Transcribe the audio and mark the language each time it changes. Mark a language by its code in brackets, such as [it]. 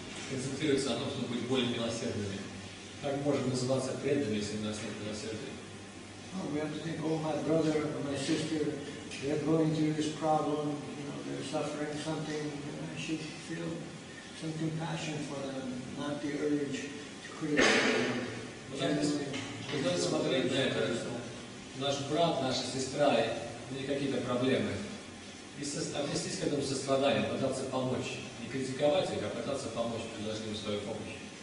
[ru] Концентрируется на том, чтобы быть более милосердными. Как можем называться преданными, если у нас нет милосердия? [en] Well, we have to think, oh, my brother or my sister, they're going through this problem, you know, they're suffering something, I should feel some compassion for them, not the urge to criticize them. [ru] Смотреть на это, наш брат, наша сестра, у них какие-то проблемы. И отнестись к этому состраданию, пытаться помочь. Не критиковать их, а пытаться помочь, предложить им свою помощь.